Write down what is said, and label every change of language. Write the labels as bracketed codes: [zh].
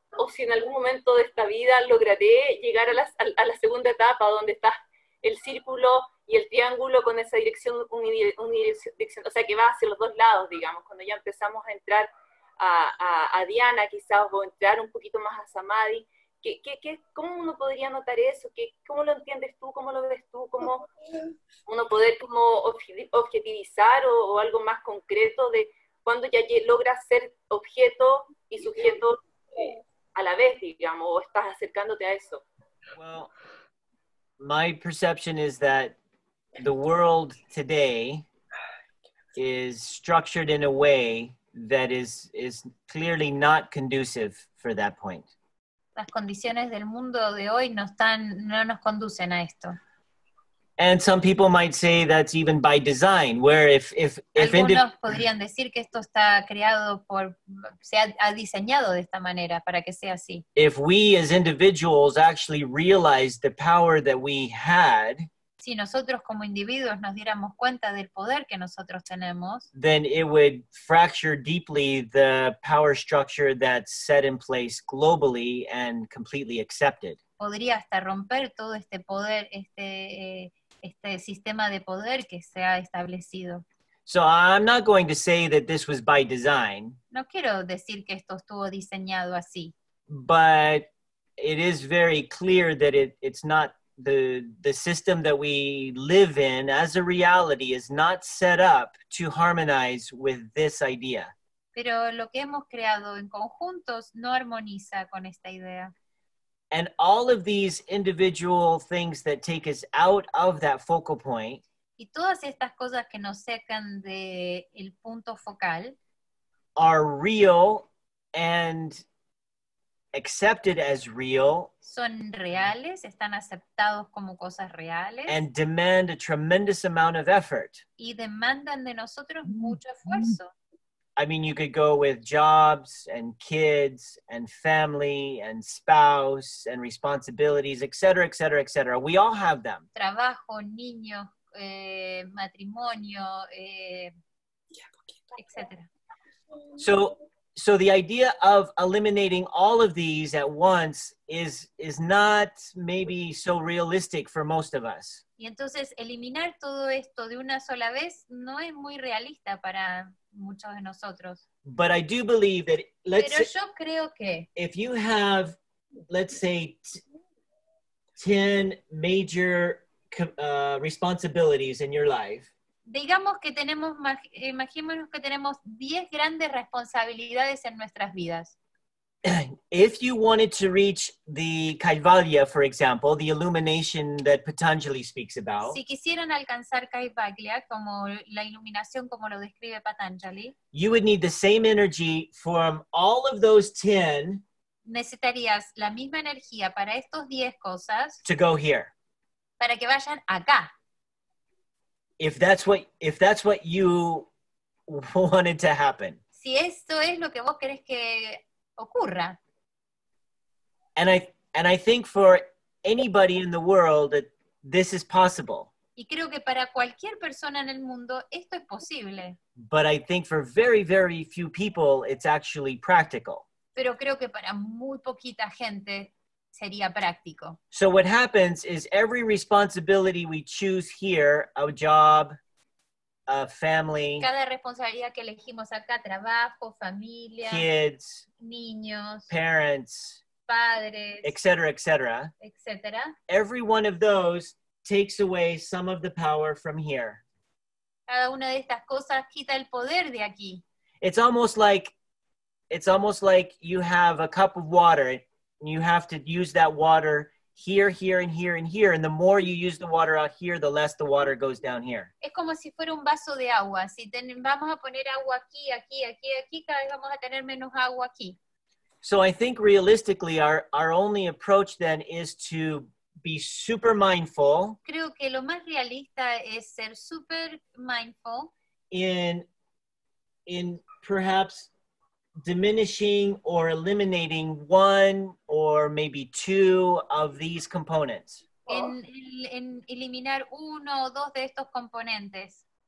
[es] O si en algún momento de esta vida lograré llegar a la segunda etapa donde está el círculo y el triángulo con esa dirección unidireccional, o sea que va hacia los dos lados, digamos, cuando ya empezamos a entrar a Diana quizás, o entrar un poquito más a Samadhi, ¿cómo uno podría notar eso? ¿Cómo lo entiendes tú? ¿Cómo lo ves tú? ¿Cómo uno poder como objetivizar o algo más concreto de cuando ya logras ser objeto y sujeto a la vez, digamos, o estás acercándote a eso? [en] Well, my perception is that the world today is structured in a way that is clearly not conducive for that point. [es] Las condiciones del mundo de hoy no nos conducen a esto. [en] And some people might say that's even by design, where [es] algunos podrían decir que esto está creado por, se ha diseñado de esta manera para que sea así. [en] If we as individuals actually realized the power that we had, [es] si nosotros como individuos nos diéramos cuenta del poder que nosotros tenemos, [en] then it would fracture deeply the power structure that's set in place globally and completely accepted. [es] Podría hasta romper todo este poder, este sistema de poder que se ha establecido. [en] So I'm not going to say that this was by design. [es] No quiero decir que esto estuvo diseñado así. [en] But it is very clear that it's not the system that we live in as a reality is not set up to harmonize with this idea. [es] Pero lo que hemos creado en conjuntos no armoniza con esta idea. [en] And all of these individual things that take us out of that focal point, [es] y todas estas cosas que nos sacan de el punto focal, [en] are real and accepted as real, [es] son reales, están aceptados como cosas reales, [en] and demand a tremendous amount of effort. [es] Y demandan de nosotros mucho esfuerzo. [en] I mean, you could go with jobs and kids and family and spouse and responsibilities, et cetera, et cetera, et cetera. We all have them. [es] Trabajo, niños, matrimonio, et cetera. [en] So the idea of eliminating all of these at once is not maybe so realistic for most of us. [es] Y entonces eliminar todo esto de una sola vez no es muy realista para muchos de nosotros. [en] But I do believe that, let's [es] Pero yo creo que [en] if you have, let's say, 10 major responsibilities in your life. [es] Digamos que tenemos, imaginémonos que tenemos 10 grandes responsabilidades en nuestras vidas. [en] If you wanted to reach the Kaivalya, for example, the illumination that Patanjali speaks about. [es] Si quisieran alcanzar Kaivalya, como la iluminación como lo describe Patanjali. [en] You would need the same energy from all of those 10. [es] Necesitarías la misma energía para estos 10 cosas. [en] To go here. [es] Para que vayan acá. [en] If that's what you wanted to happen. [es] Si esto es lo que vos querés que ocurra. [en] And I think for anybody in the world that this is possible. [es] Y creo que para cualquier persona en el mundo esto es posible. [en] But I think for very, very few people it's actually practical. [es] Pero creo que para muy poquita gente sería práctico. [en] So what happens is every responsibility we choose here, a job, a family, [es] cada responsabilidad que elegimos acá, trabajo, familia, [en] kids, [es] niños, [en] parents, [es] padres, [en] etc. [es] Every one of those takes away some of the power from here. [en] Cada una de estas cosas quita el poder de aquí. It's almost like you have a cup of water. You have to use that water here, here, and here, and here. And the more you use the water out here, the less the water goes down here. [es] Es como si fuera un vaso de agua. Si vamos a poner agua aquí, aquí, aquí, aquí, cada vez vamos a tener menos agua aquí. [en] So I think realistically, our only approach then is to be super mindful. [es] Creo que lo más realista es ser super [en] mindful. In perhaps diminishing or eliminating one or maybe two of these components. [es] En eliminar uno o dos de estos componentes.